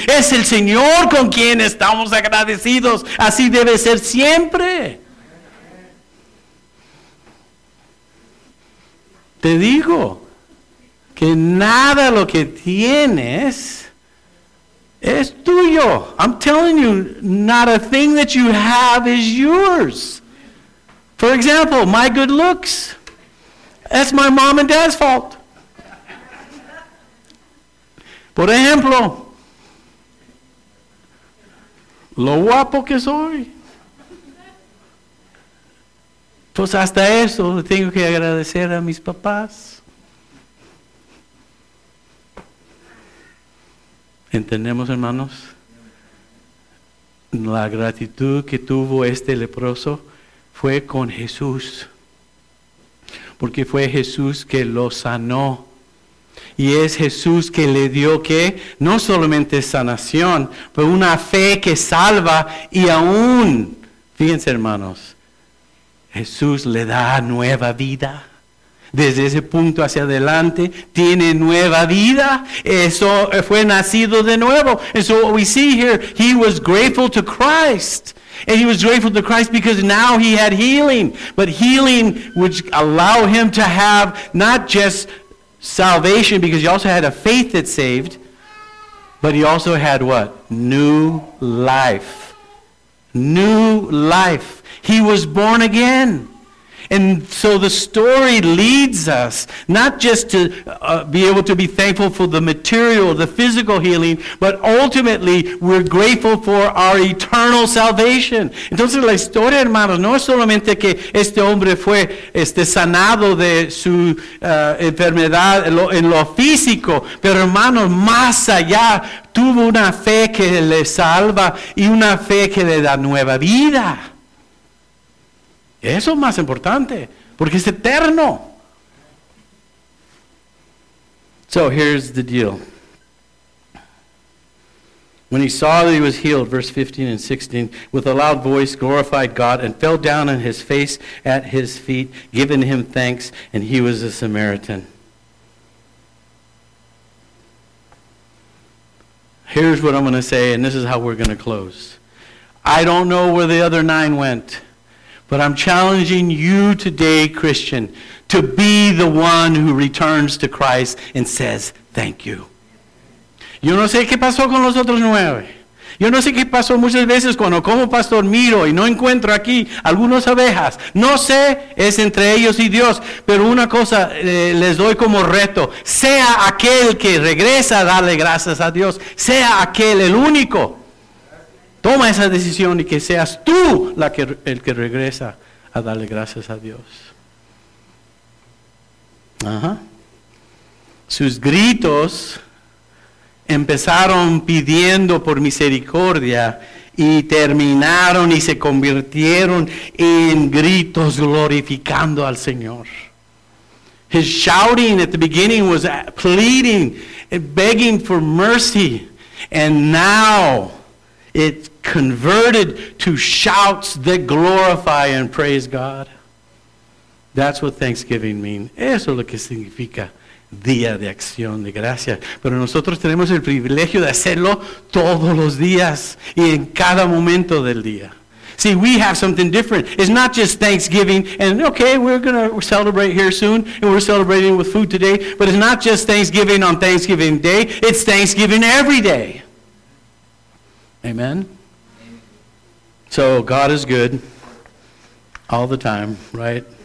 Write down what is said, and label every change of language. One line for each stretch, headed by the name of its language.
Spanish: Es el Señor con quien estamos agradecidos. Así debe ser siempre. Te digo que nada lo que tienes es tuyo.
English: I'm telling you, not a thing that you have is yours. For example, my good looks. That's my mom and dad's fault.
Spanish: Por ejemplo, lo guapo que soy. Pues hasta eso tengo que agradecer a mis papás. ¿Entendemos, hermanos? La gratitud que tuvo este leproso fue con Jesús. Porque fue Jesús que lo sanó. Y es Jesús que le dio que no solamente sanación, pero una fe que salva y aún, fíjense hermanos, Jesús le da nueva vida. Desde ese punto hacia adelante tiene nueva vida. Eso fue nacido de nuevo.
English: And so what we see here, he was grateful to Christ. And he was grateful to Christ because now he had healing. But healing which allowed him to have not just salvation, because he also had a faith that saved, but he also had what? New life. New life. He was born again. And so the story leads us not just to be able to be thankful for the material, the physical healing, but ultimately we're grateful for our eternal salvation.
Spanish: Entonces la historia, hermanos, no es solamente que este hombre fue sanado de su enfermedad en lo físico, pero hermanos, más allá, tuvo una fe que le salva y una fe que le da nueva vida. Eso es más importante, porque es eterno.
English: So here's the deal. When he saw that he was healed, verse 15 and 16, with a loud voice glorified God and fell down on his face at his feet, giving him thanks, and he was a Samaritan. Here's what I'm going to say, and this is how we're going to close. I don't know where the other nine went. But I'm challenging you today, Christian, to be the one who returns to Christ and says, thank you.
Spanish: Yo no sé qué pasó con los otros nueve. Yo no sé qué pasó muchas veces cuando como pastor miro y no encuentro aquí algunas ovejas. No sé, es entre ellos y Dios. Pero una cosa les doy como reto. Sea aquel que regresa a darle gracias a Dios. Sea aquel el único. Toma esa decisión y que seas tú la que, el que regresa a darle gracias a Dios. Ajá. Sus gritos empezaron pidiendo por misericordia y terminaron y se convirtieron en gritos glorificando al Señor.
English: His shouting at the beginning was pleading, begging for mercy, and now it converted to shouts that glorify and praise God. That's what Thanksgiving means.
Spanish: Eso es lo que significa Día de Acción de Gracias. Pero nosotros tenemos el privilegio de hacerlo todos los días y en cada momento del día.
English: See, we have something different. It's not just Thanksgiving, and okay, we're going to celebrate here soon, and we're celebrating with food today, but it's not just Thanksgiving on Thanksgiving Day, it's Thanksgiving every day. Amen? So, God is good all the time, right?